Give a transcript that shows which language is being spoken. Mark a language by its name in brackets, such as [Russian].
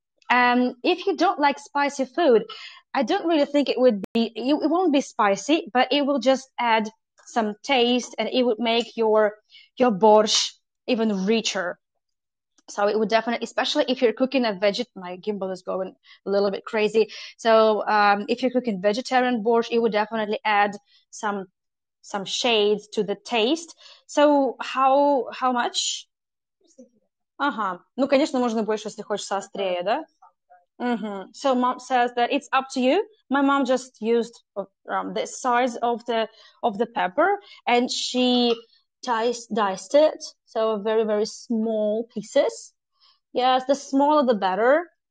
[English] If you don't like spicy food, I don't really think it would be, it won't be spicy, but it will just add some taste and it would make your borscht even richer. So it would definitely, especially if you're cooking a veget, my gimbal is going a little bit crazy. So if you're cooking vegetarian borscht, it would definitely add some shades to the taste. So how much? [Russian] Ну, конечно, можно больше, если хочется острее, да? [English] So mom says that it's up to you. My mom just used this size of the pepper, and she diced it, so very very small pieces. Yes, the smaller the better.